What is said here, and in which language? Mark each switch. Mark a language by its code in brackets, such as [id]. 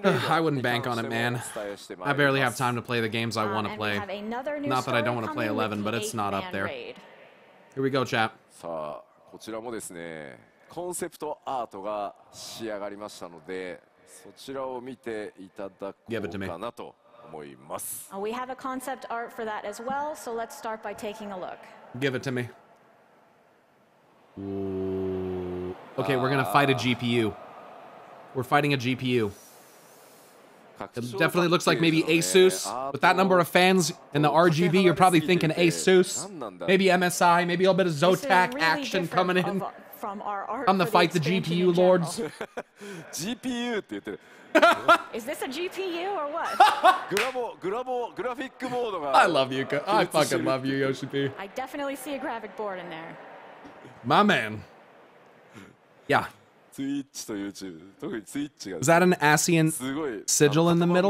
[en] I wouldn't bank on it, man. I barely have time to play the games I want to play. Not that I don't want to play 11, but it's not up there. Here we go, chat. [ja] さあ、こちらもですね。コンセプトアートが仕上がりましたので、そちらを見ていただこうかなと思います。 [en] We have a concept art for that as well, so let's start by taking a look. Give it to me. Okay, we're gonna fight a GPU. We're fighting a GPU. It definitely looks like maybe Asus. With that number of fans and the RGB, you're probably thinking Asus. Maybe MSI, maybe a little bit of Zotac action coming in. I'm the fight the GPU lords. [ja] GPU って言ってる。 [en] Is this a GPU or what? [ja] グラフィックモードが。 [en] I love you, I fucking love you, Yoshi P. I definitely see a graphic board in there. My man. Yeah. [ja] Twitch と YouTube、特に Twitch が。 [en] Is that an ASEAN sigil in the middle?